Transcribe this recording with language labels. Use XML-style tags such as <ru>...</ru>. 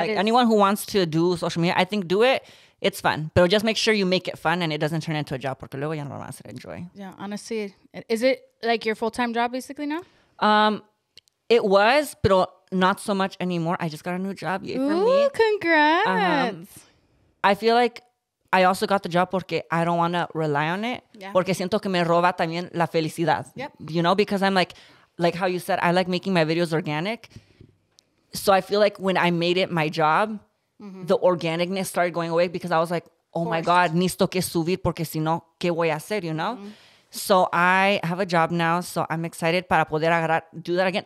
<en>like, anyone who wants to do social media, I think do it. It's fun, but just make sure you make it fun and it doesn't turn into a job,</en> <es>porque luego ya no vas a</es> <en>enjoy. Yeah, honestly, is it like your full-time job basically now? It was, but not so much anymore. I just got a new job. Ooh, congrats. I feel like I also got the job porque I don't want to rely on it. Yeah.</en> <es>Porque siento que me roba también la felicidad.</es> <en>Yep. You know, because I'm like how you said, I like making my videos organic. So I feel like when I made it my job, mm-hmm. the organicness started going away because I was like, oh my God,</en> <es>necesito que subir porque si no, ¿qué voy a hacer?</es> <en>You know? Mm-hmm. So I have a job now, so I'm excited</en> <es>para poder agarrar,</es> <en>do that again.</en>